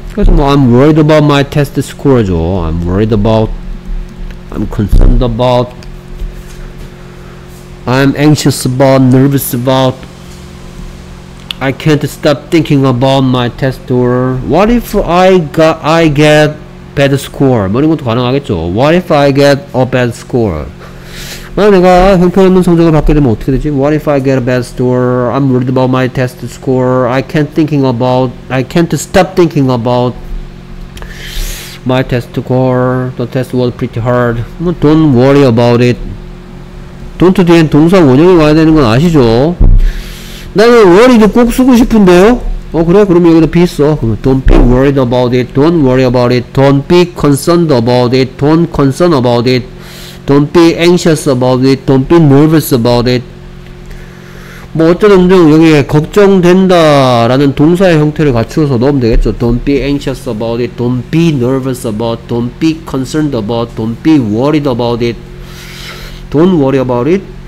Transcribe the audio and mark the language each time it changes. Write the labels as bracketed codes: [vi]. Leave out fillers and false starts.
[ko] 그래서 뭐 [en] I'm worried about my test score죠. I'm worried about, I'm concerned about, I'm anxious about, nervous about, I can't stop thinking about my test or what if I get bad score. [ko] 뭐 이런 것도 가능하겠죠. [en] What if I get a bad score? [ko] 만약 내가 형편없는 성적을 받게 되면 어떻게 되지? [en] What if I get a bad score? I'm worried about my test score. I can't stop thinking about my test score. The test was pretty hard. Don't worry about it. Don't [ko] 뒤에 동사 원형이 와야 되는 건 아시죠? 나는 worried 꼭 쓰고 싶은데요? 어 그래? 그럼 여기다 be 써. 그럼 [en] don't be worried about it, don't worry about it, don't be concerned about it, don't concern about it, Don't be anxious about it. Don't be nervous about it. [ko] 뭐 어쨌든 좀 여기에 걱정된다 라는 동사의 형태를 갖추어서 넣으면 되겠죠. [en] Don't be anxious about it. Don't be nervous about it. Don't be concerned about it. Don't be worried about it. Don't worry about it.